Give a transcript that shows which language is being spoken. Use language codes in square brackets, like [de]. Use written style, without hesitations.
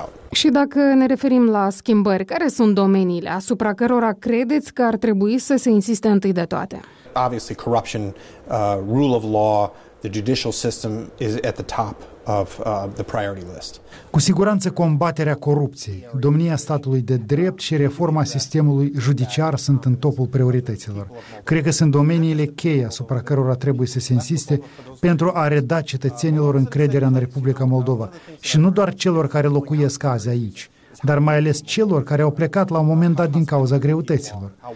[ro] Și dacă ne referim la schimbări, care sunt domeniile asupra cărora credeți că ar trebui să se insiste întâi de toate? [en] Obviously corruption, rule of law, the judicial system is at the top of the priority list. [ro] Cu siguranță combaterea corupției, domnia statului de drept și reforma sistemului judiciar sunt în topul priorităților. Cred că sunt domeniile cheie asupra cărora trebuie să se insiste pentru a reda cetățenilor încrederea în Republica Moldova și nu doar celor care locuiesc azi aici, dar mai ales celor care au plecat la un moment dat din cauza greutăților.